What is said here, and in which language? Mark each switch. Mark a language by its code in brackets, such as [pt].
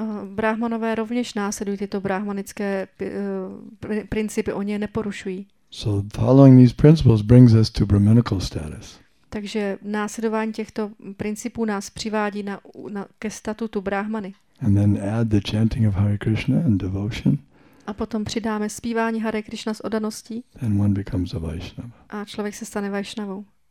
[cs] Brahmanové rovněž následují tyto brahmanické principy, oni je neporušují. [en] So following these principles brings us to brahmanical status. [cs] Takže následování těchto principů nás přivádí ke statutu brahmany. [en] And then add the chanting of Hare Krishna and devotion. [cs] A potom přidáme zpívání Hare Krishna s oddaností. [en] And one becomes a Vaishnava. [cs] A člověk se stane Vaishnavou.